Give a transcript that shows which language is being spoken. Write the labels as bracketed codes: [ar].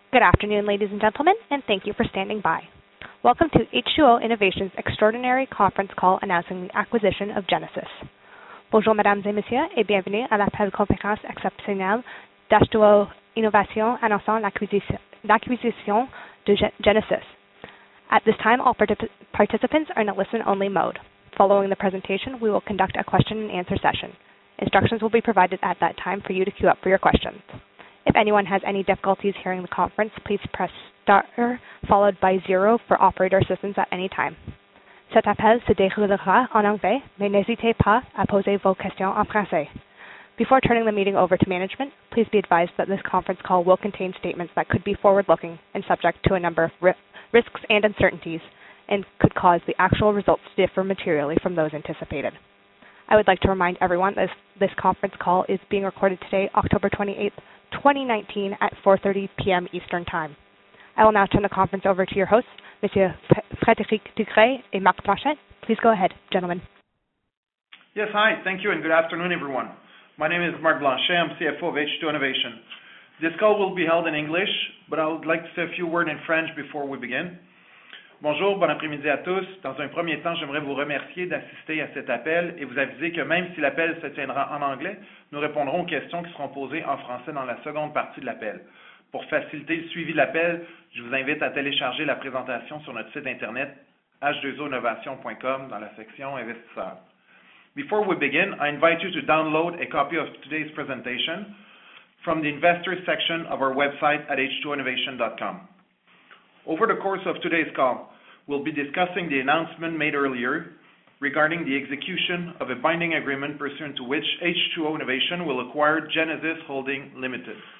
[en] Good afternoon, ladies and gentlemen, and thank you for standing by. Welcome to H2O Innovation's extraordinary conference call announcing the acquisition of Genesis. [fr] Bonjour, mesdames et messieurs, et bienvenue à l'appel conférence exceptionnelle d'H2O Innovation annonçant l'acquisition de Genesis. [en] At this time, all participants are in a listen-only mode. Following the presentation, we will conduct a question-and-answer session. Instructions will be provided at that time for you to queue up for your questions. If anyone has any difficulties hearing the conference, please press star followed by zero for operator assistance at any time. [fr] Cet appel se déroulera en anglais, mais n'hésitez pas à poser vos questions en français. [en] Before turning the meeting over to management, please be advised that this conference call will contain statements that could be forward-looking and subject to a number of risks and uncertainties and could cause the actual results to differ materially from those anticipated. I would like to remind everyone that this conference call is being recorded today, October 28th, 2019 at 4:30 p.m. Eastern Time. I will now turn the conference over to your hosts, Monsieur Frédéric Ducret and Marc Blanchette. Please go ahead, gentlemen. Yes, hi, thank you, and good afternoon, everyone. My name is Marc Blanchette. I'm CFO of H2 Innovation. This call will be held in English, but I would like to say a few words in French before we begin. [fr] Bonjour, bon après-midi à tous. Dans un premier temps, j'aimerais vous remercier d'assister à cet appel et vous aviser que même si l'appel se tiendra en anglais, nous répondrons aux questions qui seront posées en français dans la seconde partie de l'appel. Pour faciliter le suivi de l'appel, je vous invite à télécharger la présentation sur notre site internet h2oinnovation.com dans la section investisseurs. [en] Before we begin, I invite you to download a copy of today's presentation from the investors section of our website at h2innovation.com. Over the course of today's call, we'll be discussing the announcement made earlier regarding the execution of a binding agreement pursuant to which H2O Innovation will acquire Genesis Holding Limited.